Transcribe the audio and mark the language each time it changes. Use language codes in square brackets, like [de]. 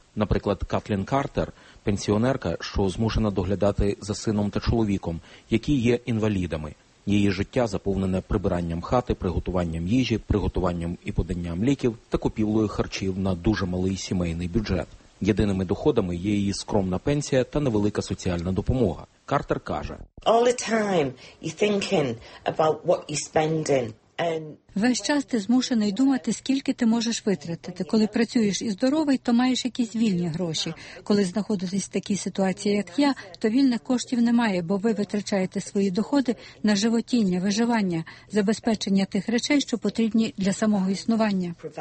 [uk] Наприклад, Катлін Картер – пенсіонерка, що змушена доглядати за сином та чоловіком, які є інвалідами. Її життя заповнене прибиранням хати, приготуванням їжі, приготуванням і поданням ліків та купівлею харчів на дуже малий сімейний бюджет. Єдиними доходами є її скромна пенсія та невелика соціальна допомога. Картер каже: [en] All the time you're thinking about what you're spending. [uk] Весь час ти змушений думати, скільки ти можеш витратити. Коли працюєш і здоровий, то маєш якісь вільні гроші. Коли знаходитесь в такій ситуації, як я, то вільних коштів немає, бо ви витрачаєте свої доходи на животіння, виживання, забезпечення тих речей, що потрібні для самого існування.